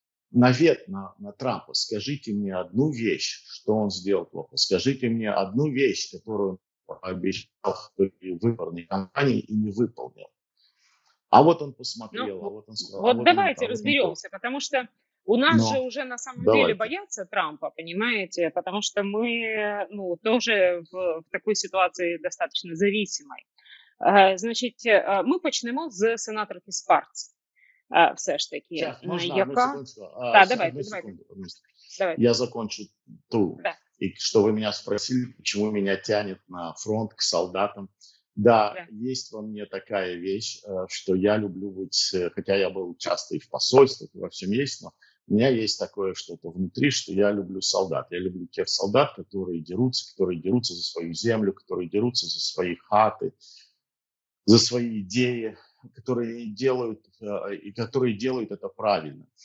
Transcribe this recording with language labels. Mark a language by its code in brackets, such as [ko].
[ru] Навет на Трампа, скажите мне одну вещь, что он сделал плохо, скажите мне одну вещь, которую он обещал в выборной кампании и не выполнил. А вот он посмотрел, а вот он сказал. Вот давайте разберемся, потому что у нас же уже на самом деле боятся Трампа, понимаете, потому что мы тоже в такой ситуации достаточно зависимой. [uk] Значить, ми почнемо з сенаторки Спарц. Все ж таки, яка... [ru] Так, давайте. Я закончу ту. Да. [uk] І що ви мене спросили, чому мене тягне на фронт к солдатам? [ru] Да, є во мне такая вещь, що я люблю быть, хотя я был часто и в посольствах, и во всем есть, но у меня есть такое что-то внутри, что я люблю солдат. Я люблю тех солдат, которые дерутся за свою землю, которые дерутся за свои хаты, за свои идеи, которые делают это правильно.